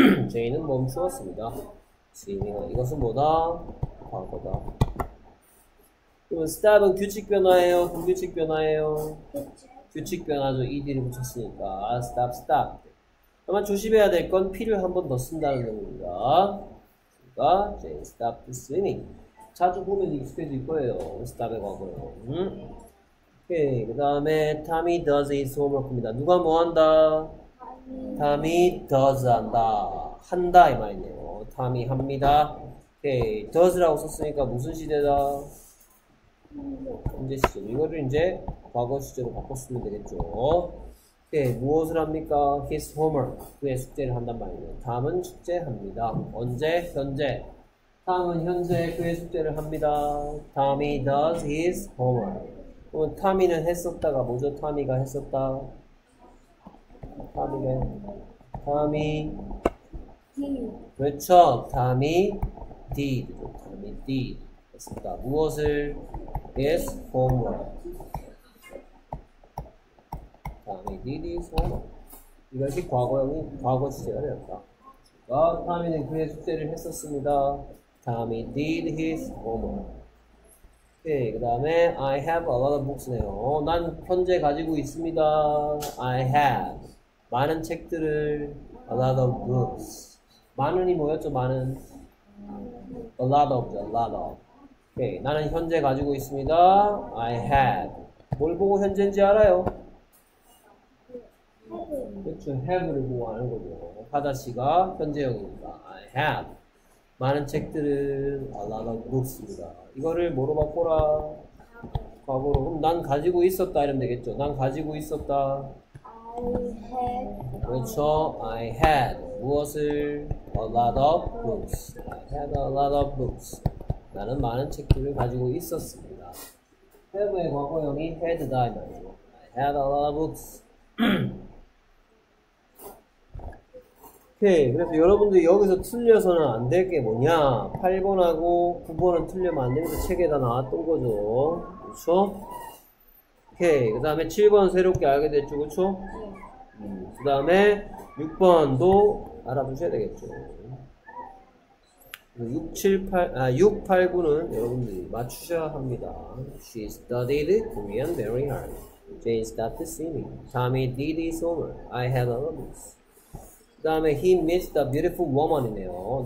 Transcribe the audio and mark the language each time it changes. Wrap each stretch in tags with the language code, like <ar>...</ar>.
<ko>Jane은 멈추었습니다. Swimming은 이것은 뭐다? 과거다. 그럼 stop은 규칙 변화예요? 불규칙 변화예요? 규칙 변화죠. ED를 붙였으니까. 아, stop, stop. 다만 조심해야 될 건 P를 한 번 더 쓴다는 겁니다.</ko> <en>그러니까 Jane stopped swimming.</en> <ko>자주 보면 익숙해질 거예요. stop의 과거로. 오케이. 그 다음에</ko> <en>Tommy does his homework입니다.</en> <ko>누가 뭐 한다? Tommy does 한다. 한다 이 말이네요. Tommy 합니다. Okay. does라고 썼으니까 무슨 시제다? 현재 시제. 이거를 이제 과거 시제로 바꿨으면 되겠죠. Okay. 무엇을 합니까? His homework. 그의 숙제를 한단 말이에요. Tom은 숙제합니다. 언제? 현재. Tom은 현재 그의 숙제를 합니다.</ko> <en>Tommy does his homework.</en> <ko>그러면 Tommy는 했었다가 뭐죠? Tommy가 했었다. 타미네. 타미. 그렇죠. 타미 did. 타미 did. 했습니다. 무엇을?</ko> <en>His homework. 타미 did his homework.</en> <ko>이것이 과거형이 과거 시제가 되었다. 아, 타미는 그의 숙제를 했었습니다.</ko> <en>타미 did his homework.</en> <ko>오케이. 그 다음에 I have a lot of books네요. 난 현재 가지고 있습니다.</ko> <en>I have.</en> <ko>많은 책들을</ko> <en>a lot of books.</en> <ko>많은이 뭐였죠? 많은 a lot of, a lot of. 오케이. 나는 현재 가지고 있습니다.</ko> <en>I have.</en> <ko>뭘 보고 현재인지 알아요? 그렇죠. have를 보고 아는 거죠. 하다 씨가 현재형입니다.</ko> <en>I have</en> <ko>많은 책들을</ko> <en>a lot of books입니다.</en> <ko>이거를 뭐로 바꿔라? 과거로. 그럼 난 가지고 있었다 이러면 되겠죠. 난 가지고 있었다.</ko> <en>I had. 그렇죠. I had. 무엇을? A lot of books. I had a lot of books.</en> <ko>나는 많은 책들을 가지고 있었습니다. have의 과거형이 had다.</ko> <en>I had a lot of books.</en> <ko>오케이. 그래서 여러분들 여기서 틀려서는 안 될 게 뭐냐? 8번하고 9번은 틀려면 안 되면서 책에 다 나왔던 거죠. 그렇죠? 오케이. 그 다음에 7번 새롭게 알게 됐죠. 그쵸? 그 다음에 6번도 알아두셔야 되겠죠. 6, 7, 8, 아, 6, 8, 9는 여러분들이 맞추셔야 합니다.</ko> <en>She studied Korean very hard. Jane stopped singing. Tommy did his homework. I had a lot of this.</en> <ko>그 다음에</ko> <en>He meets a beautiful woman이네요.</en>